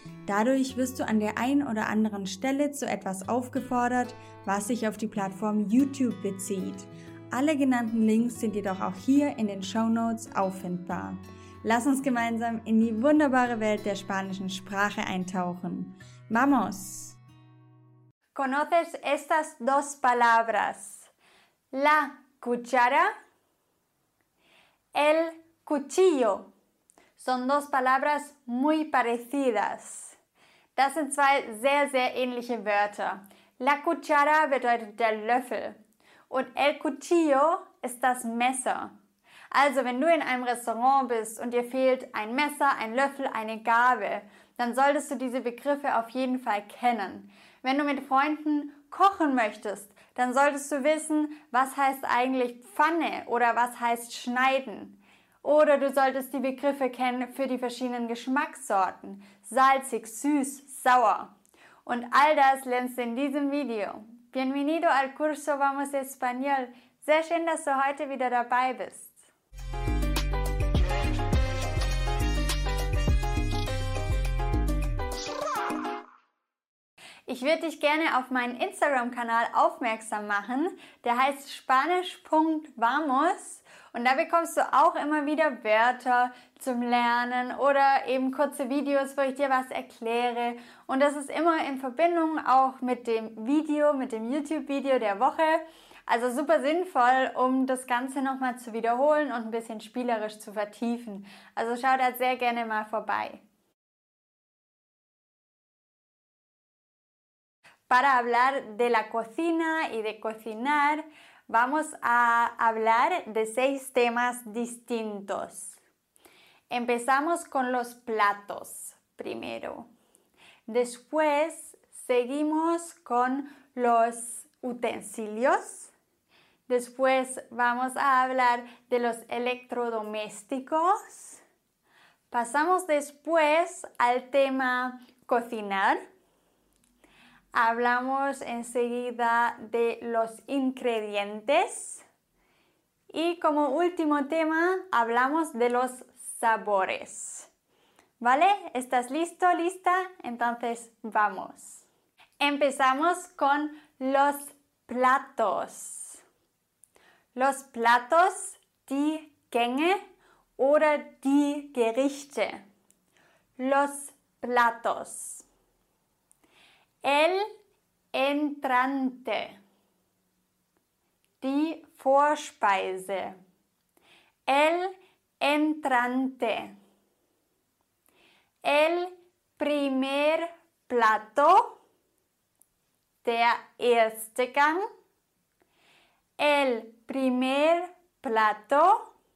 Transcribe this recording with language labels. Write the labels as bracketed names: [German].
[German] Dadurch wirst du an der einen oder anderen Stelle zu etwas aufgefordert, was sich auf die Plattform YouTube bezieht. Alle genannten Links sind jedoch auch hier in den Shownotes auffindbar. Lass uns gemeinsam in die wunderbare Welt der spanischen Sprache eintauchen. [Spanish] ¡Vamos! ¿Conoces estas dos palabras? La cuchara, el cuchillo. Son dos palabras muy parecidas. [German] Das sind zwei sehr, sehr ähnliche Wörter. La cuchara bedeutet der Löffel. Und el cuchillo ist das Messer. Also, wenn du in einem Restaurant bist und dir fehlt ein Messer, ein Löffel, eine Gabel, dann solltest du diese Begriffe auf jeden Fall kennen. Wenn du mit Freunden kochen möchtest, dann solltest du wissen, was heißt eigentlich Pfanne oder was heißt schneiden. Oder du solltest die Begriffe kennen für die verschiedenen Geschmackssorten. Salzig, süß, sauer. Und all das lernst du in diesem Video. [Spanish] Bienvenido al curso Vamos Español. [German] Sehr schön, dass du heute wieder dabei bist. Ich würde dich gerne auf meinen Instagram-Kanal aufmerksam machen. Der heißt spanisch.vamos und da bekommst du auch immer wieder Wörter zum Lernen oder eben kurze Videos, wo ich dir was erkläre. Und das ist immer in Verbindung auch mit dem Video, mit dem YouTube-Video der Woche. Also super sinnvoll, um das Ganze nochmal zu wiederholen und ein bisschen spielerisch zu vertiefen. Also schau da sehr gerne mal vorbei. [Spanish] Para hablar de la cocina y de cocinar, vamos a hablar de 6 temas distintos. Empezamos con los platos primero. Después seguimos con los utensilios. Después vamos a hablar de los electrodomésticos. Pasamos después al tema cocinar. Hablamos enseguida de los ingredientes. Y como último tema, hablamos de los sabores. ¿Vale? ¿Estás listo, lista? Entonces, vamos. Empezamos con los platos. [German] Los platos, die Gänge oder die Gerichte. [Spanish] Los platos. El entrante, die Vorspeise, el entrante, el primer plato, der erste Gang, el primer plato,